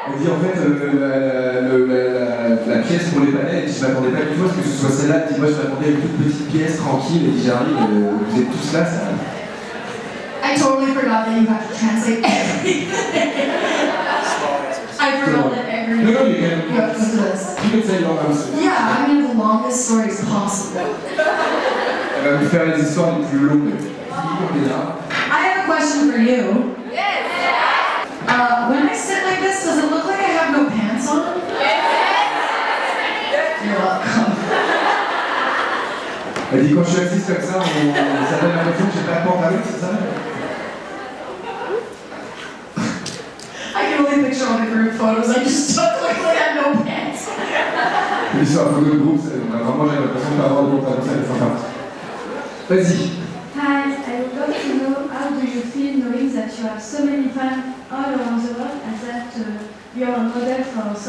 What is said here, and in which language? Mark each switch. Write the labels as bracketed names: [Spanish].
[French] En fait, la pièce pour les balais, je m'attendais pas du tout à ce que ce soit celle-là. Dis-moi, je m'attendais à une toute petite pièce tranquille et j'arrive, vous êtes tous là, ça. [English] I totally forgot that you have to translate everything. I forgot that everything. No, you can. You can say long answer. Yeah, I mean the longest story is possible. [French] Elle va vous faire les histoires les plus longues. [English] I have a question for you. When I sit like this, does it look like I have no pants on? Yes! You're welcome. [French] Elle dit quand je suis assise comme ça, on s'appelle la question que j'ai pas de pantalon, c'est ça? [English] I can only picture all the group photos, I just look like I have no pants. [French] Mais sur la photo de groupe, c'est vraiment, j'ai l'impression de pas avoir de pantalon, ça, c'est sympa. Vas-y. [English] You have so many fans all around the world, and that you're a model for